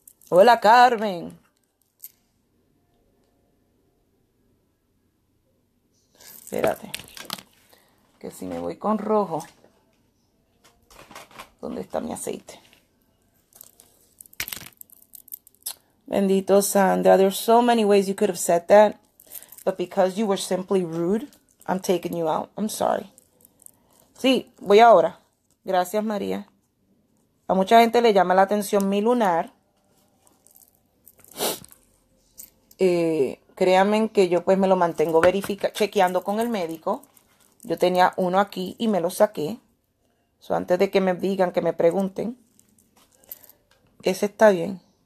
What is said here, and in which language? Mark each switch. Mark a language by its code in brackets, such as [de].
[es] Hola, Carmen. Espérate, que si me voy con rojo, ¿dónde está mi aceite? [en] Bendito Sandra, there's so many ways you could have said that, but because you were simply rude, I'm taking you out. I'm sorry. [es] Sí, voy ahora. Gracias, María. A mucha gente le llama la atención mi lunar. Créanme que yo pues me lo mantengo chequeando con el médico. Yo tenía uno aquí y me lo saqué. So, antes de que me digan, que me pregunten. Ese está bien.